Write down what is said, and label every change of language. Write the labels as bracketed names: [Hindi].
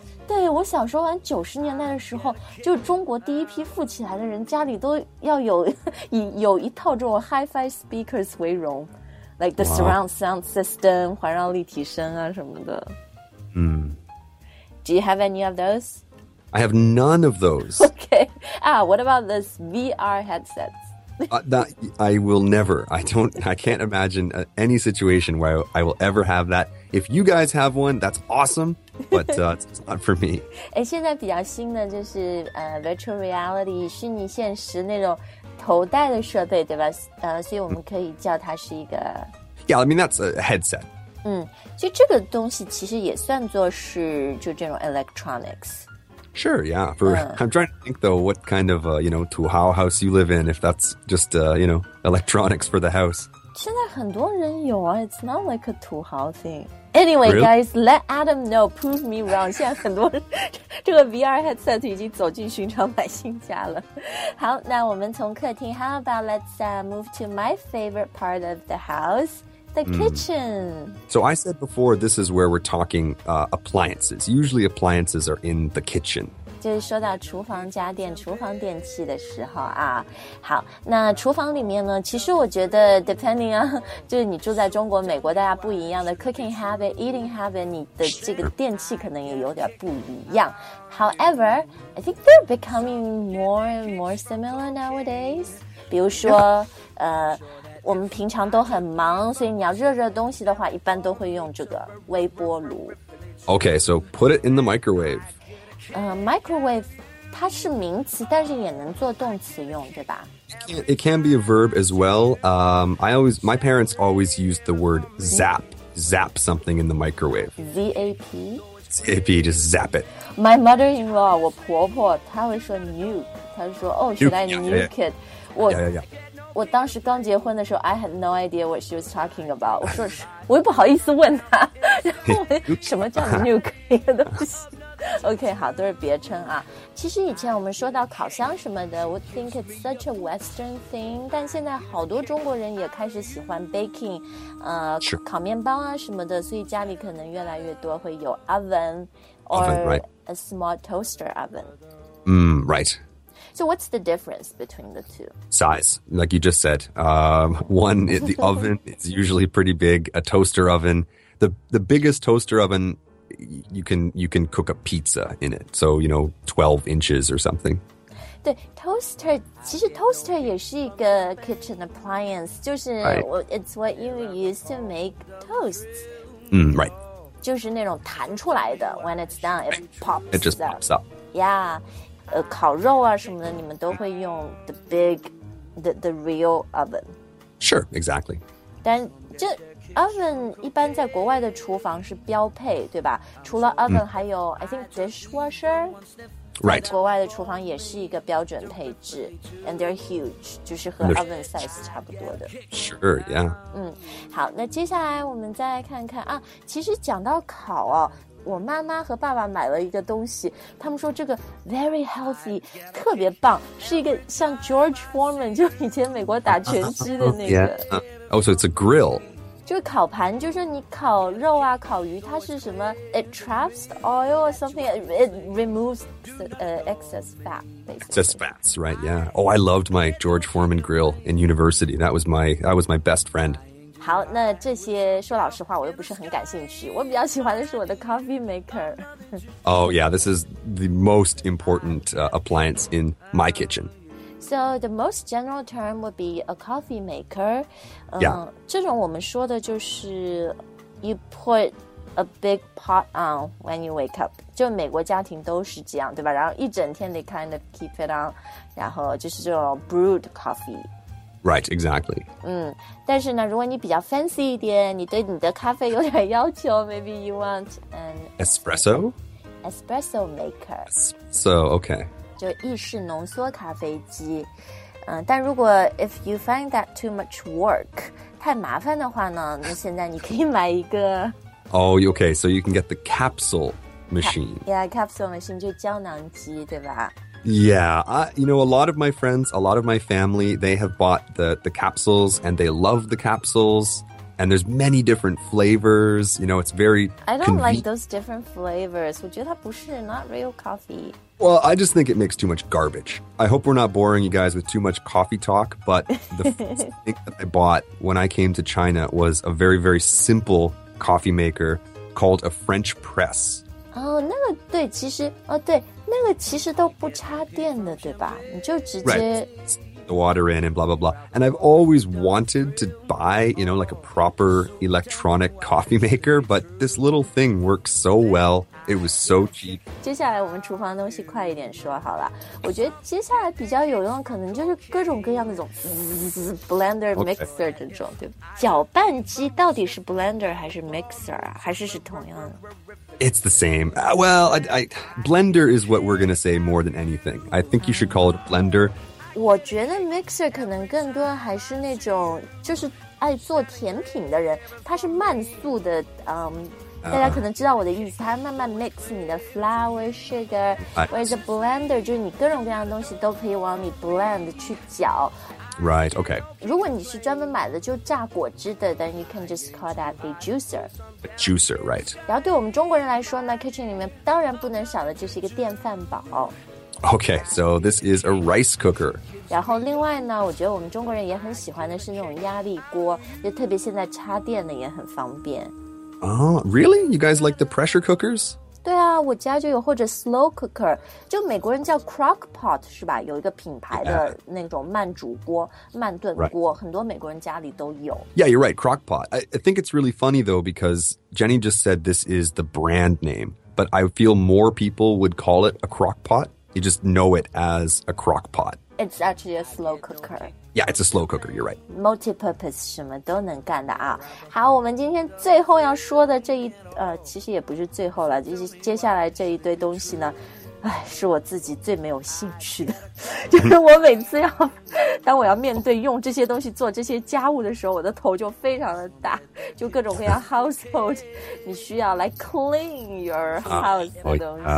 [Chinese] 对我小时候玩九十年代的时候就中国第一批富起来的人家里都要有一套这种 Hi-Fi speakers 为荣 [English] Like the surround sound system [Chinese] 环绕立体声啊什么的、 mm. [English] Do you have any of those? I have none of those Okay, what about this VR headsets? I can't imagine any situation where I will ever have that If you guys have one, that's awesome But it's not for me. [Chinese] 现在比较新的就是virtual reality, 虚拟现实那种头戴的设备对吧所以我们可以叫它是一个 [English] Yeah, I mean, that's a headset. [Chinese] 所以这个东西其实也算作是就这种 electronics. [English] Sure, yeah. I'm trying to think though, what kind of, to how house you live in, if that's just, electronics for the house. [Chinese] 现在很多人有啊 [English] It's not like a [Chinese] 土豪 [English] thing Anyway、really? guys Let Adam know Prove me wrong [Chinese] 现在很多人这个 VR headset 已经走进寻常百姓家了好那我们从客厅 [English] How about let's move to my favorite part of the house The kitchen、 So I said before This is where we're talking appliances Usually appliances are in the kitchen [Chinese] 就是说到厨房家电厨房电器的时候啊好那厨房里面呢其实我觉得 [English] depending on [Chinese] 就是你住在中国美国大家不一样的 [English] cooking habit eating habit [Chinese] 你的这个电器可能也有点不一样 [English] however I think they're becoming more and more similar nowadays [Chinese] 比如说、我们平常都很忙所以你要热热东西的话一般都会用这个微波炉 [English] okay so put it in the microwave Microwave, 它是名词但是也能做动词用对吧 It can be a verb as well. My parents always used the word zap. Zap something in the microwave. Z-A-P? Z-A-P, just zap it. My mother-in-law, [Chinese] 我婆婆她会说 [English] nuke. [Chinese] 她说 [English] should I nuke it? Yeah. [Chinese] 我当时刚结婚的时候 [English] I had no idea what she was talking about. [Chinese] 我说我也不好意思问她什么叫 nuke 一个东西OK, 好都是别称啊其实以前我们说到烤箱什么的 [English] We think it's such a western thing [Chinese] 但现在好多中国人也开始喜欢 baking、烤面包啊什么的所以家里可能越来越多会有 oven [English] Or a small toaster oven Right So what's the difference between the two? Size, like you just said the oven is usually pretty big A toaster oven The biggest toaster ovenYou can cook a pizza in it. So, 12 inches or something. [Chinese] 对 toaster, 其实 toaster 也是一个 [English] kitchen appliance. [Chinese] 就是 [English] it's what you use to make toasts. Right. [Chinese] 就是那种弹出来的 [English] when it's done, it pops up. It just pops up. Yeah. [Chinese] 烤肉啊什么的你们都会用 [English] the big, the real oven. Sure, exactly. [Chinese] 但这Oven 一般在国外的厨房是标配，对吧？除了 [English] oven， [Chinese] 还有 [English] I think dishwasher。 Right。 [Chinese] 国外的厨房也是一个标准配置， [English] and they're huge， [Chinese] 就是和 [English] oven size [Chinese] 差不多的。 [English] Sure, yeah。 [Chinese] 好，那接下来我们再看看啊，其实讲到烤哦，我妈妈和爸爸买了一个东西，他们说这个 [English] very healthy， [Chinese] 特别棒，是一个像 George Foreman 就以前美国打拳击的那个。 [English] Yeah. Oh, so it's a grill. [Chinese] 就是烤盘就是你烤肉啊烤鱼它是什么 [English] It traps oil or something It removes excess fat、basically. Excess fats, right, yeah Oh, I loved my George Foreman grill in university That was my best friend [Chinese] 好那这些说老实话我又不是很感兴趣我比较喜欢的是我的 coffee maker [English] Oh yeah, this is the most important appliance in my kitchen So the most general term would be a coffee maker. Yeah. [Chinese] 这种我们说的就是 [English] you put a big pot on when you wake up. [Chinese] 就美国家庭都是这样，对吧？然后一整天 [English] they kind of keep it on. [Chinese] 然后就是这种 [English] brewed coffee. Right, exactly. [Chinese] 但是呢，如果你比较 fancy 一点，你对你的咖啡有点要求 ， [English] maybe you want an espresso. Espresso maker. So okay. [Chinese] 就意式浓缩咖啡机但如果 [English] if you find that too much work [Chinese] 太麻烦的话呢那现在你可以买一个 [English] Oh, okay, so you can get the capsule machine. [Chinese] Capsule machine 就胶囊机对吧？ [English] Yeah, a lot of my friends, a lot of my family, they have bought the capsules and they love the capsules. And there's many different flavors, it's very I don't like those different flavors. [Chinese] 我觉得它不是 [English] not real coffee. Well, I just think it makes too much garbage. I hope we're not boring you guys with too much coffee talk, but the first thing that I bought when I came to China was a very, very simple coffee maker called a French press. [Chinese] Oh, 那个对其实哦对那个其实都不插电的对吧你就直接、 [English] right. the water in and blah, blah, blah. And I've always wanted to buy, a proper electronic coffee maker, but this little thing works so well. It was so cheap. [Chinese] 接下来我们厨房东西快一点说好了。我觉得接下来比较有用可能就是各种各样的种 blender, mixer 这种、okay. 对搅拌机到底是 blender 还是 mixer 啊还是是同样的。 [English] It's the same. Blender is what we're going to say more than anything. I think you should call it a blender. [Chinese] 我觉得 mixer 可能更多还是那种就是爱做甜品的人它是慢速的、大家可能知道我的意思它慢慢 mix 你的 flour, sugar [English] whereas a blender [Chinese] 就是你各种各样的东西都可以往你 blend 去搅 [English] Right, okay [Chinese] 如果你是专门买的就榨果汁的 [English] then you can just call that a juicer A juicer, right [Chinese] 然后对我们中国人来说呢 kitchen 里面当然不能少的就是一个电饭煲 [English] Okay, so this is a rice cooker. [Chinese] 然后另外呢，我觉得我们中国人也很喜欢的是那种压力锅，就特别现在插电的也很方便。 [English] Oh, really? You guys like the pressure cookers? [Chinese] 对啊，我家就有或者 slow cooker, 就美国人叫 crock pot, 是吧？有一个品牌的那种慢煮锅、慢炖锅，很多美国人家里都有。 [English] Yeah, you're right, crock pot. I think it's really funny though, because Jenny just said this is the brand name, but I feel more people would call it a crock pot. You just know it as a crock pot. It's actually a slow cooker. Yeah, it's a slow cooker, you're right. [Chinese] Multi-purpose, 什么都能干的啊。好，我们今天最后要说的这一，其实也不是最后了，就是接下来这一堆东西呢，唉，是我自己最没有兴趣的。就是我每次要，当我要面对用这些东西做这些家务的时候，我的头就非常的大，就各种各样 household, 你需要来 [English] clean your house [Chinese] 的东西。